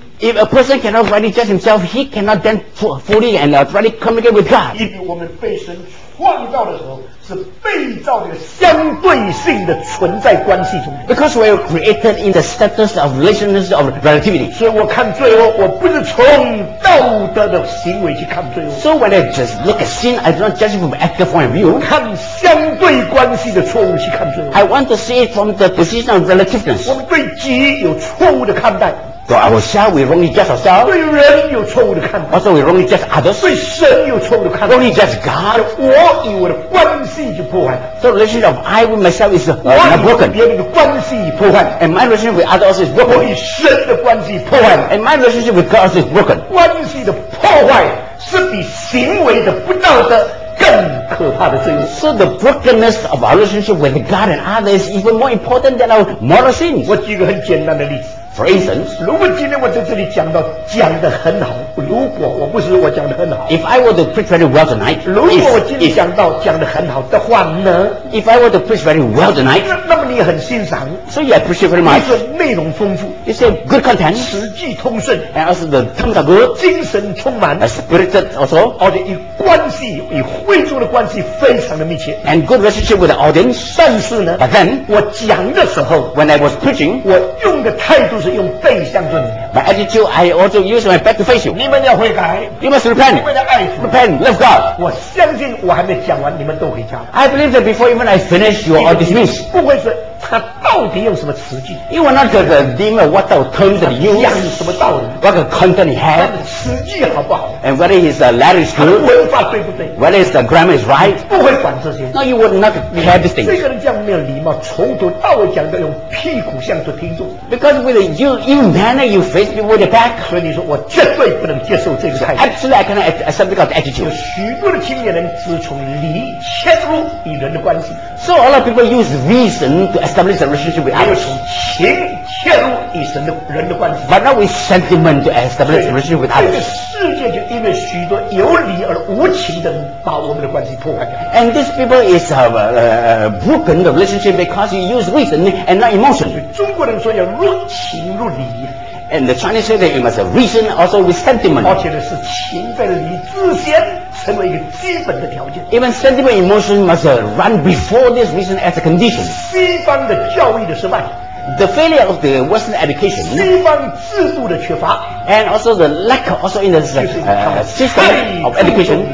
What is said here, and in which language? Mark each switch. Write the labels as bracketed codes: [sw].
[en] If a person cannot rightly judge himself, he cannot then fully and rightly communicate with God. [zh] 因为我们被神创造的时候，是被造的相对性的存在关系中。 [en] Because we are created in the status of relationship of relativity. [zh] 所以我看罪恶，我不是从道德的行为去看罪恶。 [en] So when I just look at sin, I do not judge it from ethical point of view. [zh] 我看相对关系的错误去看罪恶。 [en] I want to see it from the position of relativeness. [zh] 我们对己有错误的看待。 [en] So ourselves, we wrongly judge ourselves. [zh] 对人有错误的看法。 [en] Also, we wrongly judge others. [zh] 对神有错误的看法。 [en] Wrongly judge God. [zh] 我与我的关系就破坏了。 [en] So the relationship of I with myself is not broken. [zh] 别人的关系破坏。 [en] And my relationship with others is broken. [zh] 我与神的关系破坏。 [en] And my relationship with God is broken. [zh] 关系的破坏是比行为的不道德更可怕的罪。 [en] So the brokenness of our relationship with God and others is even more important than our moral sins. [zh] 我举一个很简单的例子。 [en] For instance, [zh] 如果今天我在这里讲到讲得很好，如果我不是我讲得很好 [en] ，If I were to preach very well tonight, [zh] 如果我今天讲到讲得很好的话呢 [en] ？If I were to preach very well tonight, [zh] 那么你很欣赏 [en] ，So you appreciate very much. [zh] 你说内容丰富 [en] ，You say good content, [zh] 词句通顺 [en] ，And also the terms are good, [zh] 精神充满 [en] ，Spirit also, [zh] 而且与关系与会众的关系非常的密切 [en] ，And good relationship with the audience. [zh] 但是呢 [en] ，But then, [zh] 我讲的时候 [en] ，When I was preaching, [zh] 我用的态度是。用背向着你。 [en] My attitude, I also use my back to face you. [zh] 你们要悔改。 [en] You must repent. [zh] 你们要爱主。 [en] Repent, love God. [zh] 我相信我还没讲完，你们都回家了。 [en] I believe that before even I finish, you are all dismissed. [zh] 不会说他到底用什么词句。 [en] You will not get the demon what type of terms that you use. [zh] 讲什么道理。 [en] What kind of content he has. [zh] 他的词句好不好。 [en] And whether his letter is good. [zh] 文化对不对。 [en] Whether his grammar is right. [zh] 不会管这些。 [en] No, you would not care this thing. [zh] 这个人这样没有礼貌，从头到尾讲到用屁股向着听众。 [en] Because with you, in manner, you face. With your back. [zh] 所以你说我绝对不能接受这个态度。 [en] Absolutely, I cannot accept this kind of attitude. [zh] 有许多的青年人只从理切入与人的关系。 [en] So a lot of people use reason to establish a relationship with others. [zh] 没有从情切入与神的人的关系。 [en] But not with sentiment to establish a relationship with others. [zh] 这个世界就因为许多有理而无情的把我们的关系破坏掉。 [en] And these people is broken the relationship because you use reason and not emotion. [zh] 中国人说要入情入理。 [en] And the Chinese say that you must have reason also with sentiment. [zh] 而且呢，是情在理之先，成为一个基本的条件。 [en] Even sentiment, emotion must run before this reason as a condition. [zh] 西方的教育的失败。 [en] The failure of the Western education. [zh] 西方制度的缺乏。 [en] And also the lack also in the system of education.